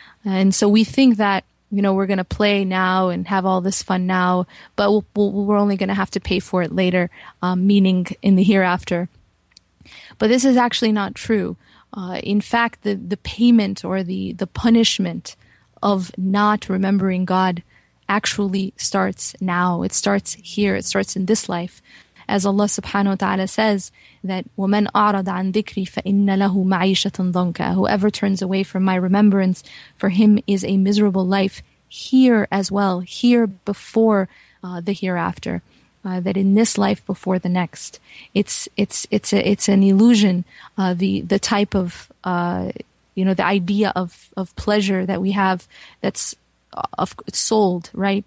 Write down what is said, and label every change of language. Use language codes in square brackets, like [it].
[en] And so we think that, you know, we're going to play now and have all this fun now, but we're only going to have to pay for it later, meaning in the hereafter. But this is actually not true. In fact, the payment or the punishment of not remembering God actually starts now. It starts here. It starts in this life. As Allah subhanahu wa ta'ala says, that [ar] وَمَنْ أَعْرَضَ عَنْ ذِكْرِي فَإِنَّ لَهُ مَعِيشَةً ضَنْكَ. [en] Whoever turns away from my remembrance, for him is a miserable life here as well, here before the hereafter. That in this life before the next, it's an illusion. The type of the idea of pleasure that we have, it's sold, right?